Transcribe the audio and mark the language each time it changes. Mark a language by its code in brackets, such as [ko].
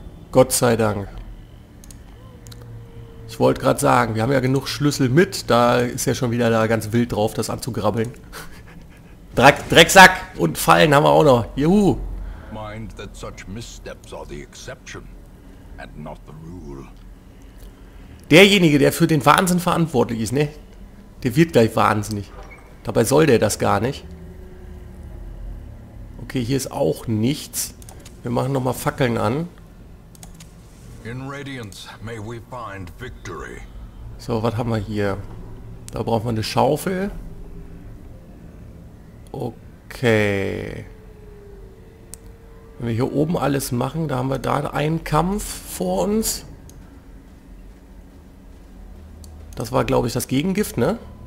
[de] Gott sei Dank. Ich wollte gerade sagen, wir haben ja genug Schlüssel mit. Da ist ja schon wieder da ganz wild drauf, das anzugrabbeln. Drecksack und Fallen haben wir auch noch. Juhu. [en] Mind that such missteps are the exception and not the rule. [de] Derjenige, der für den Wahnsinn verantwortlich ist, ne? Der wird gleich wahnsinnig. Dabei soll der das gar nicht. Okay, hier ist auch nichts. Wir machen nochmal Fackeln an. [en] In Radiance may we find victory. [de] So, was haben wir hier? Da braucht man eine Schaufel. Okay. Wenn wir hier oben alles machen, da haben wir da einen Kampf vor uns. Das war, glaube ich, das Gegengift, ne?